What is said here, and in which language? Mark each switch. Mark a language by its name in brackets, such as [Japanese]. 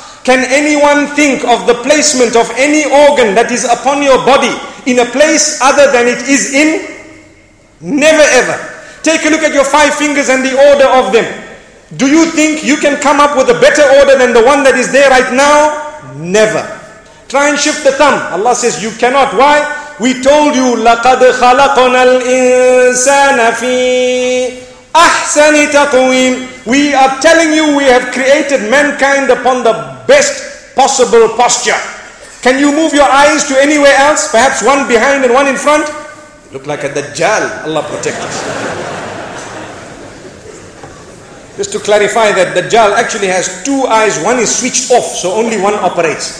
[English] Can anyone think of the placement of any organ that is upon your body in a place other than it is in? Never ever. Take a look at your five fingers and the order of them. Do you think you can come up with a better order than the one that is there right now? Never. Try and shift the thumb. Allah says you cannot. Why? We told you, [Arabic] لَقَدْ خَلَقْنَا الْإِنسَانَ فِي أَحْسَنِ تَقْوِيمِ. [English] We are telling you we have created mankind upon the best possible posture. Can you move your eyes to anywhere else? Perhaps one behind and one in front? You look like a Dajjal. Allah protect us. Just to clarify that the Dajjal actually has two eyes. One is switched off, so only one operates.